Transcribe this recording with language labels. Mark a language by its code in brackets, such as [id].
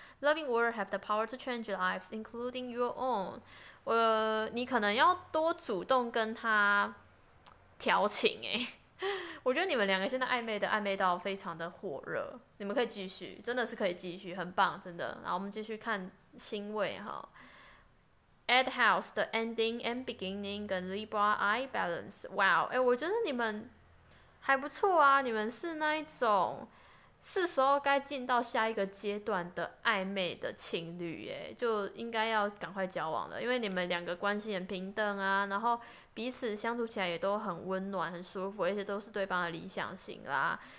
[en] Loving words have the power to change lives, including your own. [zh] 你可能要多主动跟他调情 我觉得你们两个现在暧昧到非常的火热，你们可以继续，真的是可以继续，很棒，真的。然后我们继续看星位哈。 [en] Eighth house, the ending and beginning, 跟 Libra eye balance. [zh] 哇，我觉得你们还不错啊，你们是那一种。是时候该进到下一个阶段的暧昧的情侣，就应该要赶快交往了，因为你们两个关系很平等啊，然后彼此相处起来也都很温暖、很舒服，而且都是对方的理想型啦。